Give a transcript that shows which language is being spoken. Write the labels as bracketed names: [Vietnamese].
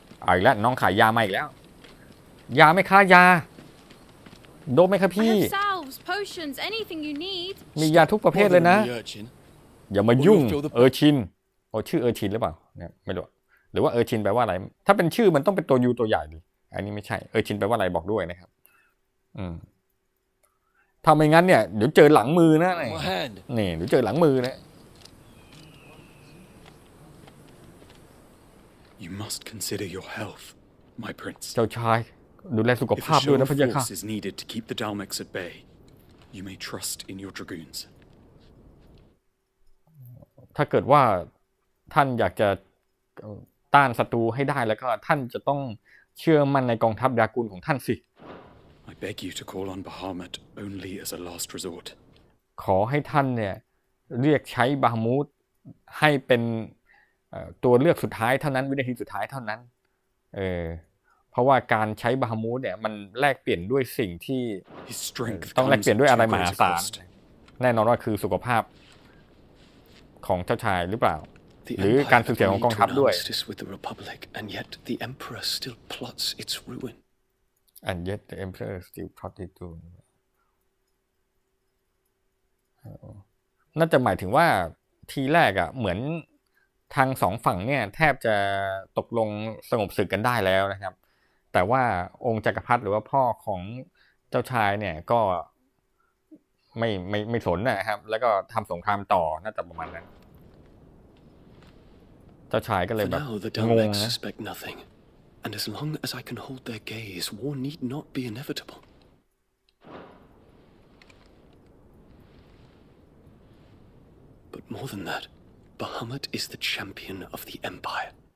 [Thai] อีกแล้วน้องขายยามาอีกแล้วยาไม่ค้ายาโดบไหมครับพี่ [English] salves, potions, anything you need. [Thai] มียาทุกประเภทเลยนะอย่ามายุ่งเออร์ชินโอชื่อเออร์ชินหรือเปล่าเนี่ยไม่รู้หรือว่าเออร์ชินแปลว่าอะไรถ้าเป็นชื่อมันต้องเป็นตัวยูตัวใหญ่ดิอันนี้ไม่ใช่เออชินแปลว่าอะไรบอกด้วยนะครับถ้าไม่งั้นเนี่ยเดี๋ยวเจอหลังมือนะนี่ เดี๋ยวเจอหลังมือนะ [English] You must consider your health, my prince. [Thai] เจ้าชายดูแลสุขภาพด้วยนะพระเจ้าค่ะ [English] If force is needed to keep the Dalmeks at bay, you may trust in your dragoons. [Thai] ถ้าเกิดว่าท่านอยากจะต้านศัตรูให้ได้แล้วก็ท่านจะต้องเชื่อมันในกองทัพดรากูนของท่านสิ [English] I beg you to call on Bahamut only as a last resort [Thai] ขอให้ท่านเนี่ยเรียกใช้บาฮามูตให้เป็นตัวเลือกสุดท้ายเท่านั้นวินาทีสุดท้ายเท่านั้นเพราะว่าการใช้บาฮามูตเนี่ยมันแลกเปลี่ยนด้วยสิ่งที่ [English] His strength [Thai] ต้องแลกเปลี่ยนด้วยอะไรมหาศาลแน่นอนว่าคือสุขภาพของเจ้าชายหรือเปล่าหรือการสูญเสียของกองทัพด้วย [English] And yet the emperor still plots its ruin. And yet the emperor still plots its ruin. [Thai] น่าจะหมายถึงว่าทีแรกอ่ะเหมือนทางสองฝั่งเนี่ยแทบจะตกลงสงบศึกกันได้แล้วนะครับแต่ว่าองค์จักรพรรดิหรือว่าพ่อของเจ้าชายเนี่ยก็ไม่สนนะครับแล้วก็ทำสงครามต่อน่าจะประมาณนั้นเจ้าชายก็เลยแบบงงนะ [English] suspect nothing and as long as I can hold their gaze war need not be inevitable but more than that Bahamut is the champion of the empire